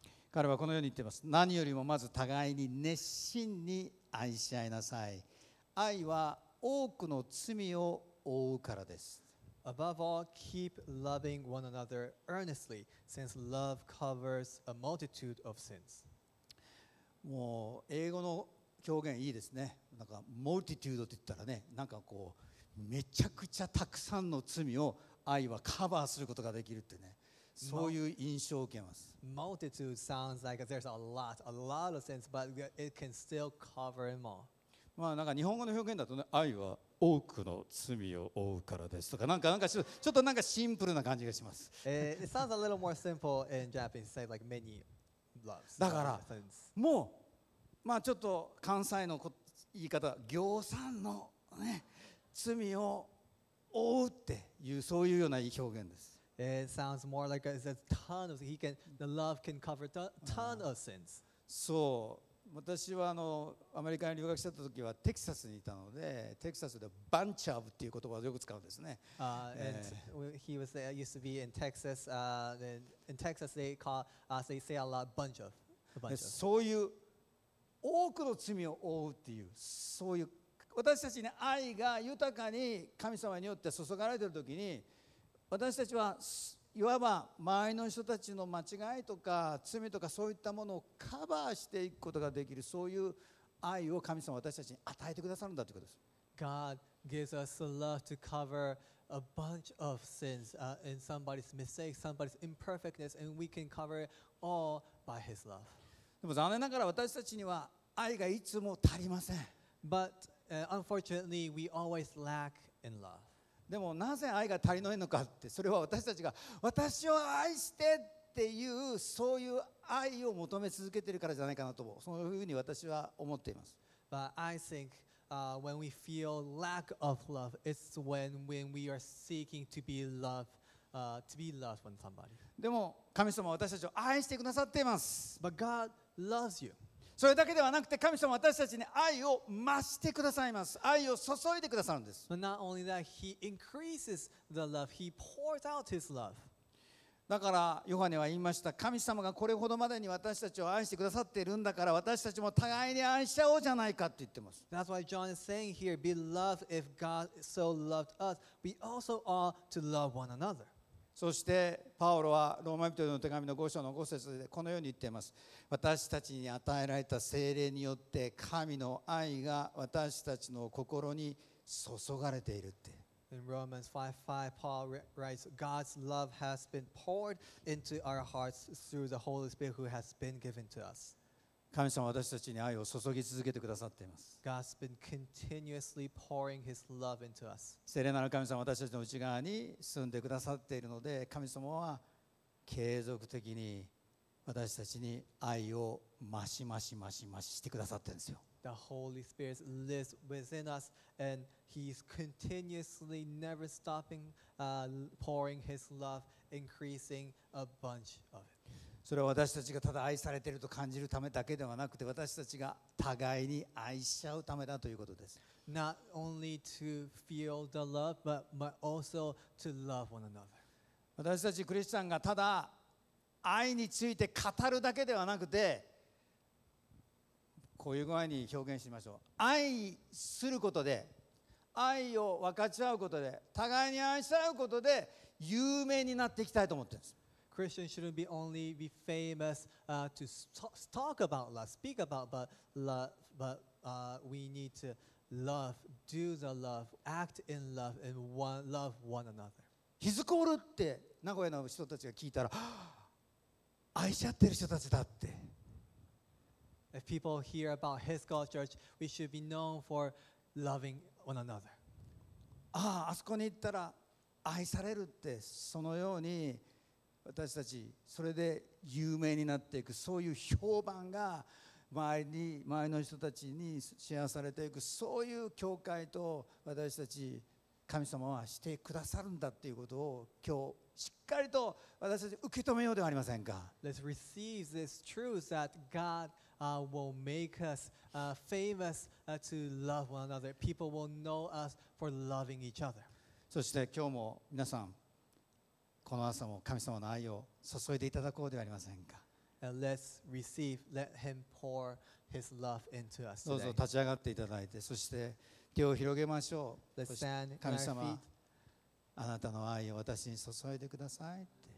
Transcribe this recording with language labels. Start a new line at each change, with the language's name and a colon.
Japanese: 彼はこのように言っています。何よりもまず互いに熱心に愛し合いなさい。愛は多くの罪を覆うからです。
English: Above all, keep loving one another earnestly, since love covers a multitude of sins.
Japanese: もう英語の表現いいですね。なんか multitude って言ったらね、なんかこうめちゃくちゃたくさんの罪を愛はカバーすることができるってね、そういう印象を受けます。
English: Multitude sounds like there's a lot of sins, but it can still cover them all.
Japanese: まあ、なんか日本語の表現だとね、愛は多くの罪を負うからですとか、なんかちょっとなんかシンプルな感じがします。
English: It sounds a little more simple in Japanese, say like many loves.
Japanese: だからもう、まあ、ちょっと関西の言い方、行さんの、ね、罪を負うっていう、そういうような表現です。
English: It sounds more like a ton of sins. The love can cover a ton of sins.
Japanese: そう、私はアメリカに留学した時はテキサスにいたので、テキサスでバンチャブっていう言葉をよく使うんですね。
English: He was there, used to be in Texas. In Texas, they call, they say a lot, bunch of.
Japanese: そういう多くの罪を負うっていう、そういう私たちに愛が豊かに神様によって注がれている時に、私たちはいわば周りの人たちの間違いとか罪とかそういったものをカバーしていくことができる、そういう愛を神様私たちに与えてくださるんだということです。
English: God gives us love to cover a bunch of sins and somebody's mistakes, somebody's imperfectness, and we can cover it all by His love.
Japanese: でも残念ながら私たちには愛がいつも足りません。
English: But unfortunately, we always lack in love.
Japanese: でもなぜ愛が足りないのかって、それは私たちが私を愛してっていう、そういう愛を求め続けてるからじゃないかなと、そういうふうに私は思っています。
English: But I think when we feel lack of love, it's when we are seeking to be loved, to be loved from somebody.
Japanese: でも神様は私たちを愛してくださっています。
English: But God loves you.
Japanese: それだけではなくて、神様は私たちに愛を増してくださいます。愛を注いでくださるんです。
English: But not only that, he increases the love, he pours out his love.
Japanese: だからヨハネは言いました。神様がこれほどまでに私たちを愛してくださっているんだから、私たちも互いに愛し合おうじゃないかって言ってます。
English: That's why John is saying here, beloved, if God so loved us, we also ought to love one another.
Japanese: そしてパウロはローマ人への手紙の5章の5節でこのように言っています。私たちに与えられた聖霊によって神の愛が私たちの心に注がれているって。
English: In Romans 5:5, Paul writes, God's love has been poured into our hearts through the Holy Spirit who has been given to us.
Japanese: 神様は私たちに愛を注ぎ続けてくださっています。
English: God's been continuously pouring His love into us.
Japanese: 聖霊なる神様は私たちの内側に住んでくださっているので、神様は継続的に私たちに愛を増し増し増し増ししてくださっているんですよ。
English: The Holy Spirit lives within us and He's continuously never stopping pouring His love, increasing a bunch of it.
Japanese: それは私たちがただ愛されていると感じるためだけではなくて、私たちが互いに愛し合うためだということです。
English: Not only to feel the love, but also to love one another.
Japanese: 私たちクリスチャンがただ愛について語るだけではなくて、こういう具合に表現しましょう。愛することで、愛を分かち合うことで、互いに愛し合うことで有名になっていきたいと思っています。
English: Christians shouldn't be only be famous to talk about love, speak about love, but we need to love, do the love, act in love, and love one another.
Japanese: ヒズコールって名古屋の人たちが聞いたら、愛し合ってる人たちだって。
English: If people hear about His Call Church, we should be known for loving one another.
Japanese: ああ、あそこに行ったら愛されるってそのように私たちそれで有名になっていくそういう評判が周りの人たちにシェアされていくそういう教会と私たち神様はしてくださるんだということを今日しっかりと私たち受け止めようではありませんか。
English: Let's receive this truth that Godwill make us famous to love one another. People will know us for loving each other.
Japanese: そして今日も皆さんこの朝も神様の愛を注いでいただこうではありませんか。
English: Let's receive. Let him pour his love into us.
Japanese: どうぞ立ち上がっていただいて、そして手を広げましょう。
English: Let's stand in our feet.
Japanese: 神様、あなたの愛を私に注いでくださいって。